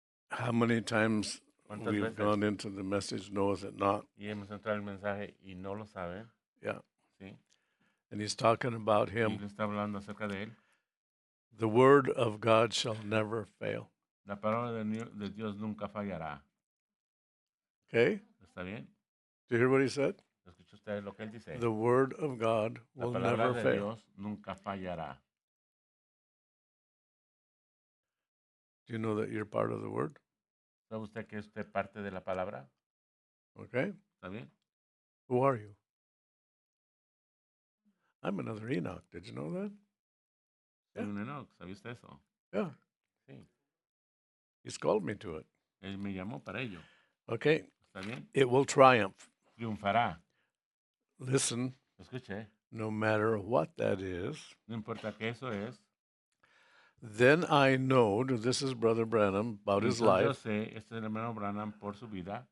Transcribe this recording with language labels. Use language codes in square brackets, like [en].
[en] how many times we've gone into the message, knows it not. [es] Y hemos entrado el mensaje y no lo sabe. [en] Yeah. [es] Sí. [en] And he's talking about him. [es] Y está hablando acerca de él. [en] The word of God shall never fail. [es] La palabra de Dios nunca fallará. [en] Okay. [es] Está bien. [en] Do you hear what he said? [es] ¿Escucha usted lo que él dice? [en] The word of God will never fail. [es] La palabra de Dios nunca fallará. [en] Do you know that you're part of the word? [es] ¿Sabe usted que usted parte de la palabra? [en] Okay. [es] ¿Está bien? [en] Who are you? I'm another Enoch. Did you know that? [es] Soy un Enoch. ¿Sabe usted eso? [en] Yeah. [es] Sí. [en] He's called me to it. [es] Él me llamó para ello. [en] Okay. [es] ¿Está bien? [en] It will triumph. [es] Triunfará. [en] Listen. [es] Escuche. [en] No matter what that is. [es] No importa qué eso es. [en] Then I know, this is Brother Branham, about his life. [es] Yo sé, este es el hermano Branham por su vida.